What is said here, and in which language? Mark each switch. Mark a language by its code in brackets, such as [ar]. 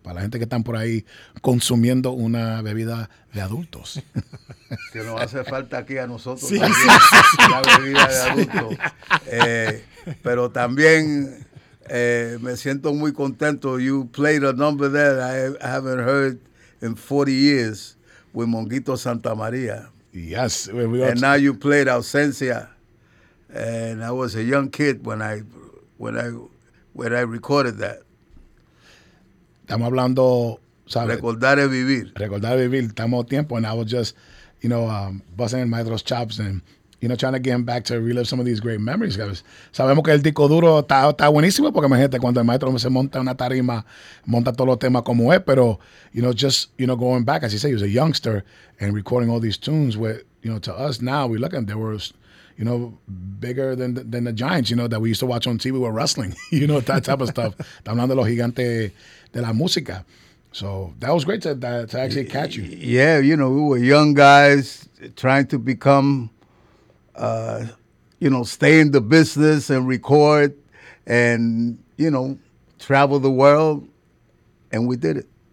[es] Para la gente que están por ahí consumiendo una bebida de adultos. Que nos hace falta aquí a nosotros sí, también, sí, la bebida de adultos. Sí. Pero también me siento muy contento. [en] You played a number that I haven't heard in 40 years with Monguito Santa María. Yes. We and to- now you played Ausencia. And I was a young kid when I recorded that. [es] Estamos hablando, ¿sabes? Recordar es vivir. Recordar es vivir. Estamos tiempo, [en] and I was just, you know, busting in Maestro's chops and you know, trying to get him back to relive some of these great memories, guys. [es] Sabemos que el disco duro está buenísimo porque imagínate cuando el maestro se monta una tarima, monta todos los temas como es, [en] pero, you know, just, you know, going back, as you say, he was a youngster and recording all these tunes with, you know, to us now, we look at them, they were, you know, bigger than the Giants, you know, that we used to watch on TV with wrestling, you know, that type of stuff. [es] Estamos hablando de los gigantes de la música. [en] So that was great to actually catch you. Yeah, you know, we were young guys trying to become, you know, stay in the business and record and, you know, travel the world. And we did it.